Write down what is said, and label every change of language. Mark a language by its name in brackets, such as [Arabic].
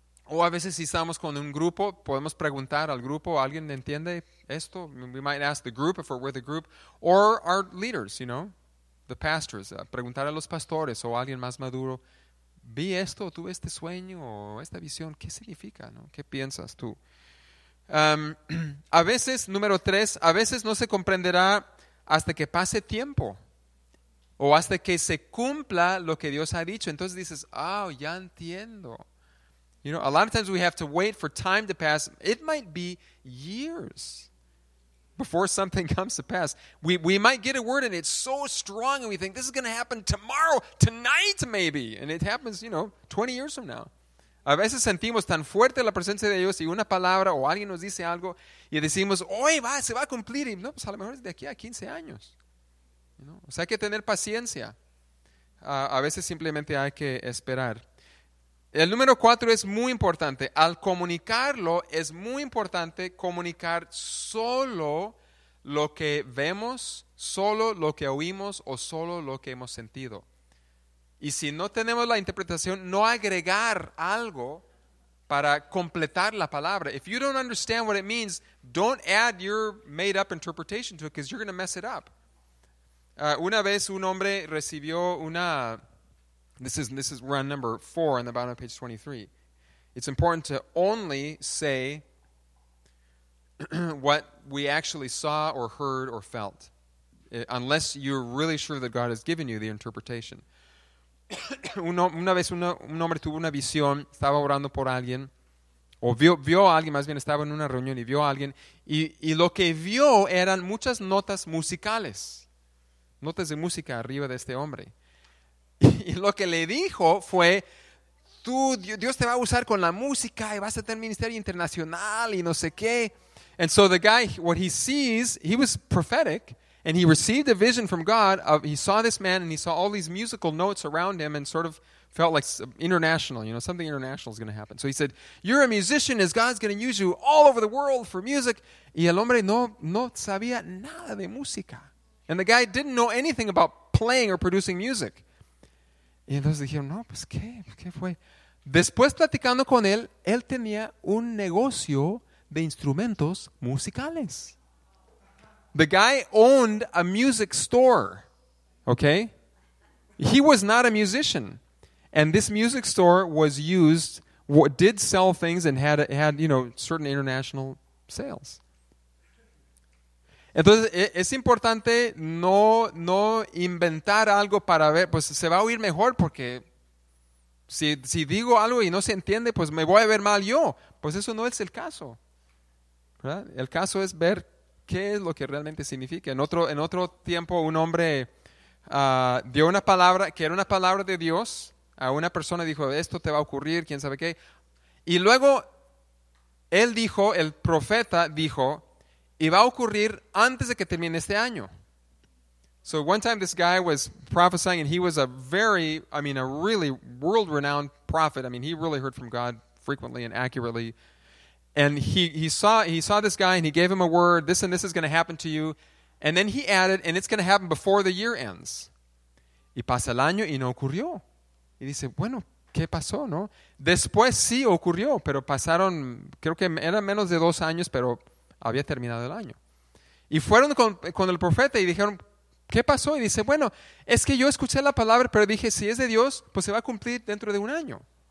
[Spanish] O a veces si estamos con un grupo, podemos preguntar al grupo, ¿alguien entiende esto? [English] We might ask the group if we're with a group. Or our leaders, you know, the pastors. [Spanish] Preguntar a los pastores o alguien más maduro, ¿vi esto? ¿Tuve este sueño o esta visión? ¿Qué significa? ¿No? ¿Qué piensas tú? A veces, número tres, a veces no se comprenderá hasta que pase tiempo. O hasta que se cumpla lo que Dios ha dicho. Entonces dices, ah, oh, ya entiendo. [English] You know, a lot of times we have to wait for time to pass. It might be years before something comes to pass. We might get a word and it's so strong and we think this is going to happen tomorrow, tonight maybe. And it happens, you know, 20 years from now. [Spanish] A veces sentimos tan fuerte la presencia de Dios y una palabra o alguien nos dice algo y decimos, hoy va, se va a cumplir. Y no, pues a lo mejor es de aquí a 15 años. ¿no? O sea, hay que tener paciencia. A veces simplemente hay que esperar. El número 4 es muy importante. Al comunicarlo, es muy importante comunicar solo lo que vemos, solo lo que oímos o solo lo que hemos sentido. Y si no tenemos la interpretación, no agregar algo para completar la palabra. [English] If you don't understand what it means, don't add your made-up interpretation to it because you're going to mess it up. [Spanish] Una vez un hombre recibió una... [English] This is run number 4 on the bottom of page 23. It's important to only say what we actually saw or heard or felt, unless you're really sure that God has given you the interpretation. [Spanish] Una vez un hombre tuvo una visión, estaba orando por alguien, o vio a alguien, más bien estaba en una reunión y vio a alguien, y lo que vio eran muchas notas musicales, notas de música arriba de este hombre. Y lo que le dijo fue, tú, Dios te va a usar con la música y vas a tener ministerio internacional y no sé qué. [English] And so the guy, what he sees, he was prophetic, and he received a vision from God. He saw this man, and he saw all these musical notes around him, and sort of felt like international, you know, something international is going to happen. So he said, you're a musician, as God's going to use you all over the world for music. [Spanish] Y el hombre no sabía nada de música. [English] And the guy didn't know anything about playing or producing music. [Spanish] Y entonces dijeron, no, pues ¿qué fue? Después platicando con él, él tenía un negocio de instrumentos musicales. [English] The guy owned a music store, okay? He was not a musician. And this music store was used, did sell things and had you know, certain international sales. [Spanish] Entonces, es importante no inventar algo para ver, pues se va a oír mejor porque si digo algo y no se entiende, pues me voy a ver mal yo. Pues eso no es el caso, ¿verdad? El caso es ver qué es lo que realmente significa. En otro tiempo, un hombre dio una palabra, que era una palabra de Dios, a una persona dijo, esto te va a ocurrir, quién sabe qué. Y luego, él dijo, el profeta dijo, y va a ocurrir antes de que termine este año. [English] So one time this guy was prophesying and he was a really world-renowned prophet. I mean, he really heard from God frequently and accurately. And he saw this guy and he gave him a word, this and this is going to happen to you. And then he added, and it's going to happen before the year ends. [Spanish] Y pasa el año y no ocurrió. Y dice, bueno, ¿qué pasó, no? Después sí ocurrió, pero pasaron, creo que era menos de 2 años, pero... había terminado el año. Y fueron con el profeta y dijeron, ¿qué pasó? Y dice, bueno, es que yo escuché la palabra, pero dije, si es de Dios, pues se va a cumplir dentro de un año.